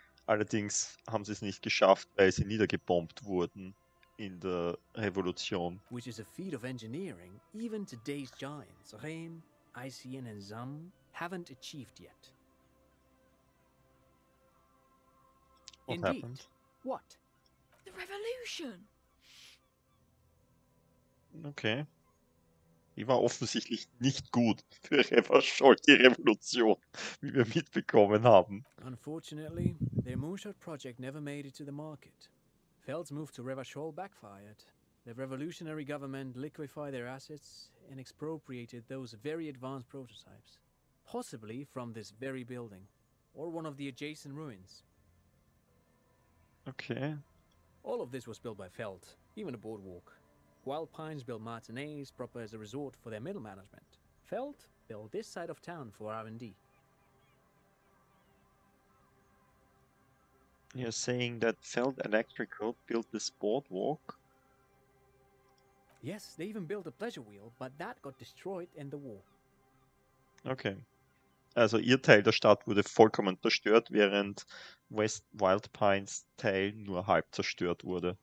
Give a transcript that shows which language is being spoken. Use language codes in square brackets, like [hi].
[de] Allerdings haben sie es nicht geschafft, weil sie niedergebombt wurden in der Revolution. [en] Which is a feat of engineering, even today's giants, Rehm, ICN and Zum, haven't achieved yet. What indeed. Happened? What? The revolution! Okay. [de] Die war offensichtlich nicht gut für die Revolution, wie wir mitbekommen haben. [en] Unfortunately, their moonshot project never made it to the market. Feld's move to Revachol backfired. The revolutionary government liquefied their assets and expropriated those very advanced prototypes. Possibly from this very building. Or one of the adjacent ruins. Okay. All of this was built by Feld, even a boardwalk. Wild Pines built Martinez proper as a resort for their middle management. Feld built this side of town for R&D. You're saying that Feld Electrical built this boardwalk? Yes, they even built a pleasure wheel, but that got destroyed in the war. Okay. [de] Also ihr Teil der Stadt wurde vollkommen zerstört, während West Wild Pines Teil nur halb zerstört wurde.